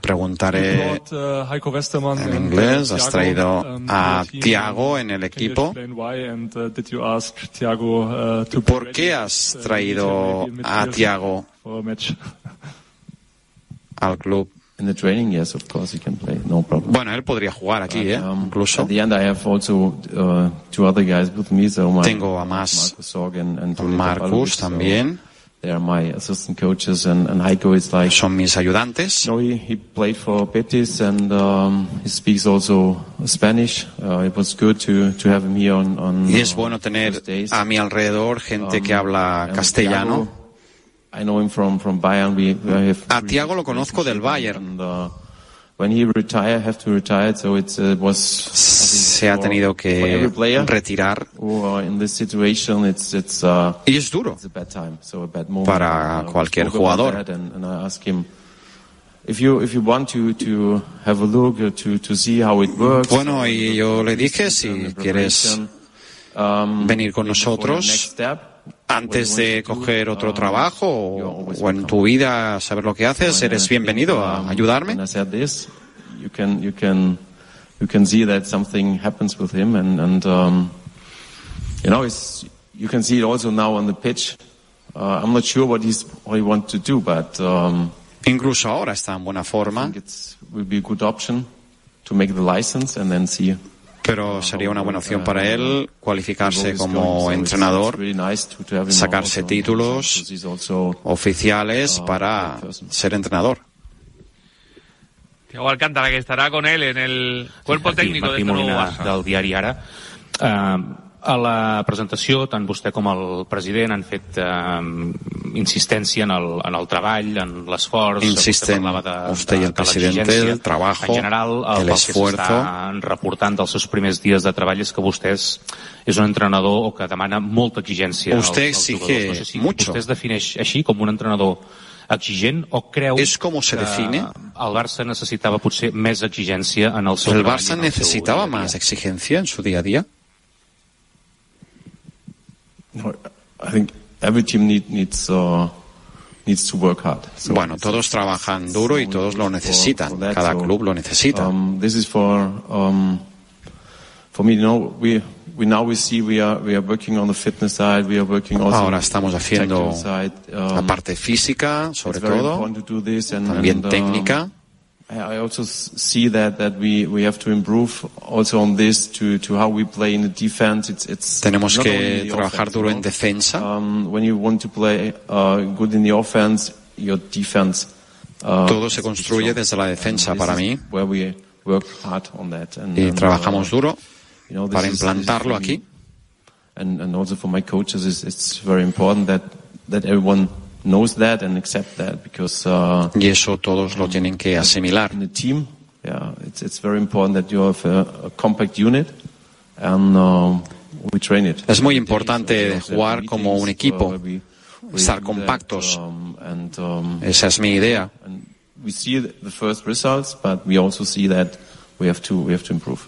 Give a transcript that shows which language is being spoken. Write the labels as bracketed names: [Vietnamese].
[Spanish] Preguntaré en inglés. ¿Has traído a Thiago en el equipo? ¿Por qué has traído a Thiago al club? [English] In the training, yes, of course he can play, no problem. [Spanish] Bueno, él podría jugar aquí, but, incluso. [English] At the end, I have also two other guys with me, so my, [Spanish] tengo a más, Marcus también. [English] So they are my assistant coaches, and Heiko is like. [Spanish] Son mis ayudantes. [English] You know, he played for Betis, and he speaks also Spanish. It was good to have him here on. [Spanish] Y es bueno tener a mi alrededor gente que habla castellano. [English] I know him from Bayern. [Spanish] A Thiago lo conozco del Bayern. And, [English] when he retired, have to retire, so it was. [Spanish] Se ha tenido que retirar. [English] In this situation, it's [Spanish] y es duro. [English] It's a bad time, so a bad moment. [Spanish] Para cualquier jugador. [English] And I ask him if you want to have a look to see how it works. [Spanish] Bueno, y yo le dije si quieres venir con nosotros. Antes de coger otro trabajo o en tu vida saber lo que haces, eres bienvenido a ayudarme. [English] You can see that something happens with him and you know, it's, you can see it also now on the pitch. I'm not sure what he wants to do, but [Spanish] incluso ahora está en buena forma. [English] It would be a good option to make the license and then see. [Spanish] Pero sería una buena opción para él cualificarse como entrenador, sacarse títulos oficiales para ser entrenador. Thiago Alcántara, que estará con él en el cuerpo técnico de este nuevo Barça. [Catalan] Del diari Ara. A la presentació, tant vostè com el president han fet insistència en el treball, en l'esforç. Insisten, vostè i el president, el treball, en general, el esforç. El que s'està reportant dels seus primers dies de treball és que vostè és un entrenador que demana molta exigència. [Spanish] Vostè exige mucho. [Catalan] Vostè es defineix així, com un entrenador exigent, o creu [Spanish] es como se define? [Catalan] Que el Barça necessitava potser més exigència en el seu treball? El Barça necessitava més exigència en su dia a dia? [English] I think every team needs to work hard. [Spanish] So bueno, todos trabajan duro y todos lo necesitan. Cada club lo necesita. [English] This is for me. No, we now we see we are working on the fitness side. We are working also. [Spanish] Ahora estamos haciendo la parte física, sobre todo, también técnica. [English] I also see that we have to improve also on this to how we play in the defense. It's [Spanish] tenemos que trabajar duro en defensa. [English] When you want to play good in the offense, your defense. [Spanish] Todo se construye desde la defensa para mí. [English] Where we work hard on that. [Spanish] Y trabajamos duro para implantarlo aquí. [English] And also for my coaches, it's very important that everyone knows that and accept that because [Spanish] y eso todos lo tienen que asimilar. [English] In the team, yeah, it's very important that you have a compact unit and we train it. [Spanish] Es muy importante jugar como un equipo, estar compactos. Esa es mi idea. And [English] we see the first results, but we also see that we have to improve.